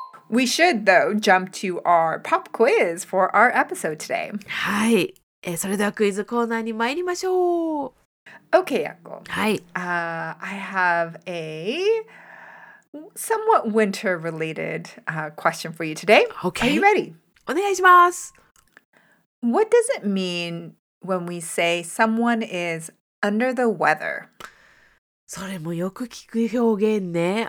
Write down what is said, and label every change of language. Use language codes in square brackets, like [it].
[en] We should, though, jump to our pop quiz for our episode today. [ja] はい。それではクイズコーナーに参りましょう。 [en] Okay, Yakko. [ja] はい。 [en] I have a somewhat winter-related question for you today. Okay. Are you ready? [ja] お願いします。 [en] What does it mean when we say someone isUnder the weather. [ja] それもよく聞く表現ね。